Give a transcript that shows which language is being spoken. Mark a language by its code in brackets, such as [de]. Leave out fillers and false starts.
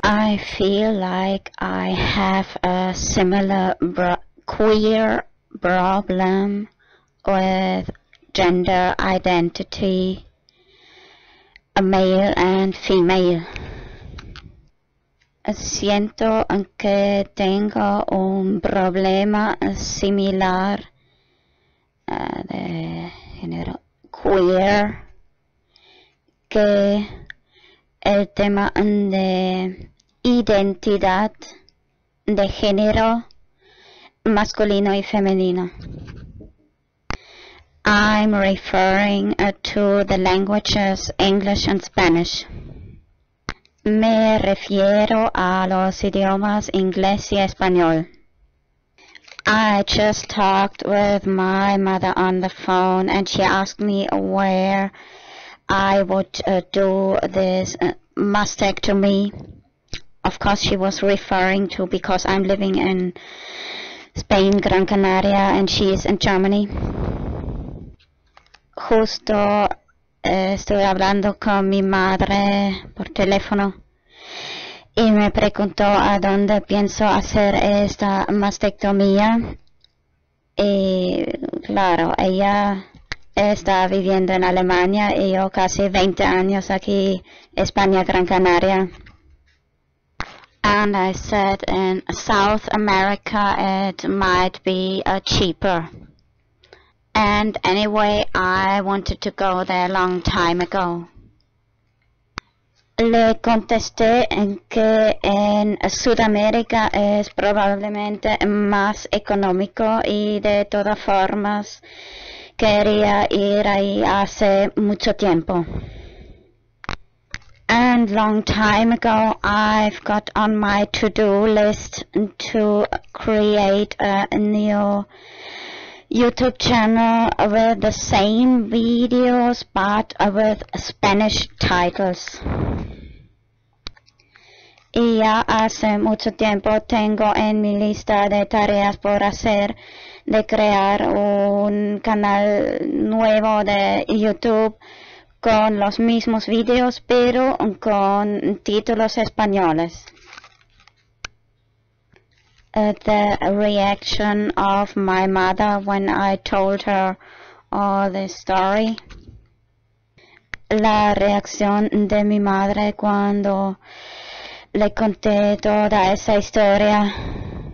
[en] I feel like I have a similar queer problem with gender identity, a male and female. [es] Siento que tengo un problema similar de género queer, que el tema de identidad de género masculino y femenino. [en] I'm referring to the languages English and Spanish. [es] Me refiero a los idiomas inglés y español. [en] I just talked with my mother on the phone and she asked me where I would do this mastectomy. Of course, she was referring to because I'm living in Spain, Gran Canaria, and she is in Germany. [es] Justo estoy hablando con mi madre por teléfono. Y me preguntó a dónde pienso hacer esta mastectomía. Y claro, ella está viviendo en Alemania y yo casi 20 años aquí, España, Gran Canaria. [en] And I said in South America it might be cheaper. And anyway, I wanted to go there a long time ago. [es] Le contesté en que en Sudamérica es probablemente más económico y de todas formas quería ir ahí hace mucho tiempo. [en] And long time ago I've got on my to-do list to create a new YouTube channel with the same videos but with Spanish titles. [es] Y ya hace mucho tiempo tengo en mi lista de tareas por hacer de crear un canal nuevo de YouTube con los mismos videos pero con títulos españoles. [en] The reaction of my mother when I told her all this story. [es] La reacción de mi madre cuando le conté toda esa historia.